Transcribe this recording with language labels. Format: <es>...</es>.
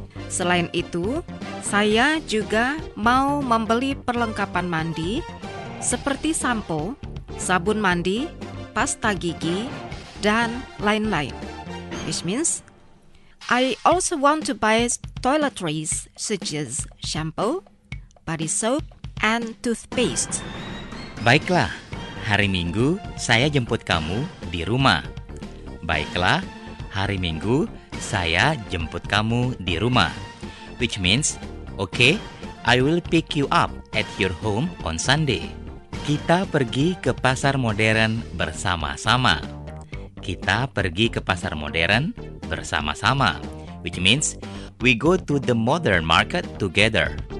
<id>Selain itu, saya juga mau membeli perlengkapan mandi seperti sampo, sabun mandi, pasta gigi, dan lain-lain.</id> <en>Which means, I also want to buy toiletries such as shampoo, body soap, and toothpaste.</en> <id>Baiklah, hari Minggu saya jemput kamu di rumah. Baiklah, hari Minggu saya jemput kamu di rumah.</id> <en>Which means, okay, I will pick you up at your home on Sunday.</en> <id>Kita pergi ke pasar modern bersama-sama. Kita pergi ke pasar modern bersama-sama.</id> <en>Which means, we go to the modern market together.</en>